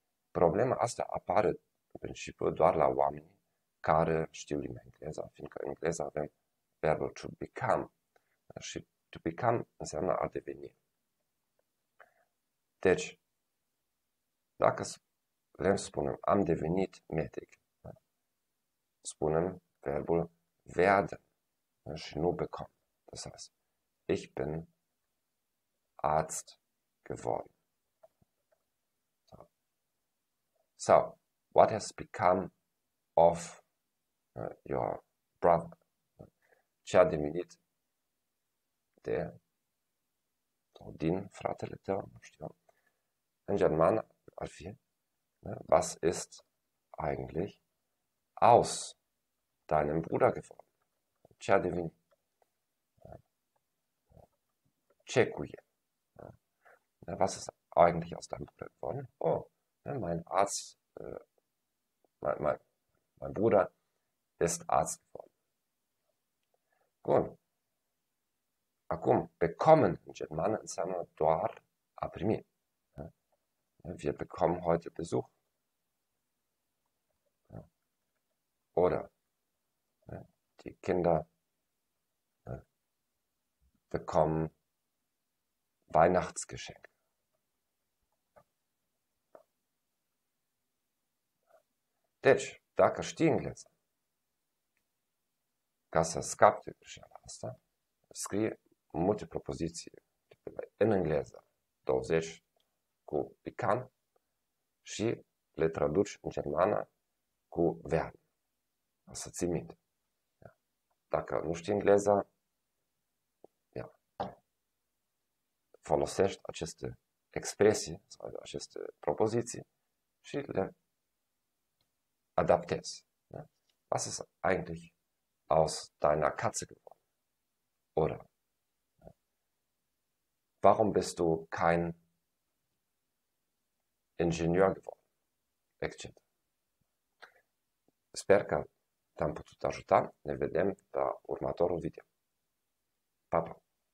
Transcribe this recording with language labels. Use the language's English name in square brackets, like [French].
[Romanian] Problema asta apare în principiu doar la oameni care știu limba engleză, fiindcă în engleză avem verbul to become și to become înseamnă a deveni. Deci, dacă vrem să spunem am devenit medic, spunem verbul werden și nu become. [German] Das heißt, ich bin Arzt geworden. [English] So, what has become of your brother? [Romanian] Ce a devenit de din fratele tău? Nu știu. În germană ar fi [German] was ist eigentlich aus deinem Bruder geworden? [Romanian] Ce a devenit? Ce cu el? [German] Was ist eigentlich aus deinem Bruder geworden? Oh, mein Arzt, mein Bruder ist Arzt geworden. Gut. [Romanian] Acum, bekommen [English] in German [Romanian] înseamnă doar a primi. [German] Wir bekommen heute Besuch. Oder die Kinder bekommen Weihnachtsgeschenk. [Romanian] Deci, dacă știi engleză, ca să scapi de greșeala asta, scrie multe propoziții în engleză, 20 cu become și le traduci în germană cu verb. O să ții minte. Dacă nu știi engleză, folosești aceste expresii sau aceste propoziții și le adaptez. [German] Was ist eigentlich aus deiner Katze geworden? Oder warum bist du kein Ingenieur geworden? [Romanian] Etc. Sper că te-am putut ajuta. Ne vedem la următorul video. Pa, pa!